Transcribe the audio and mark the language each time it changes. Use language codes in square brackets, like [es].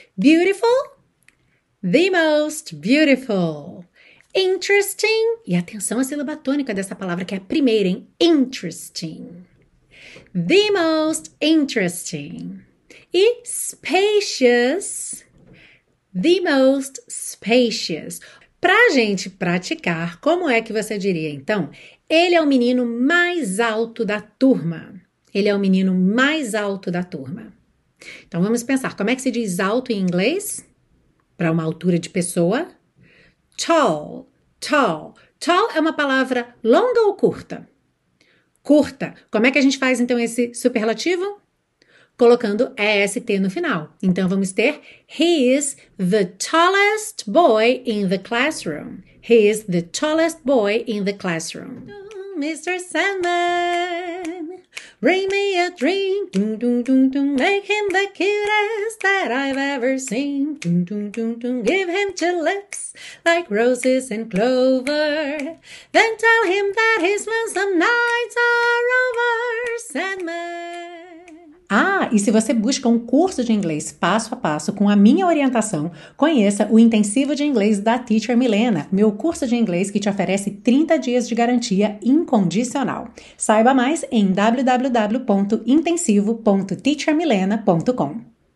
[en] Beautiful, the most beautiful. [pt] Interesting, e atenção à sílaba tônica dessa palavra, que é a primeira, hein? [en] Interesting. The most interesting. E spacious, the most spacious. [pt] Pra gente praticar, como é que você diria, então? Ele é o menino mais alto da turma. Ele é o menino mais alto da turma. Então vamos pensar, como é que se diz alto em inglês? Para uma altura de pessoa? Tall. Tall. Tall é uma palavra longa ou curta? Curta. Como é que a gente faz, então, esse superlativo? Colocando EST no final. Então, vamos ter [en] he is the tallest boy in the classroom. He is the tallest boy in the classroom. Mr. Sandman, bring me a drink, dun, dun, dun, dun, make him the cutest that I've ever seen, dun, dun, dun, dun, give him two lips like roses and clover, then tell him that his lonesome nights are over, Sandman. [pt] Ah, e se você busca um curso de inglês passo a passo com a minha orientação, conheça o Intensivo de Inglês da Teacher Milena, meu curso de inglês que te oferece 30 dias de garantia incondicional. Saiba mais em www.intensivo.teachermilena.com.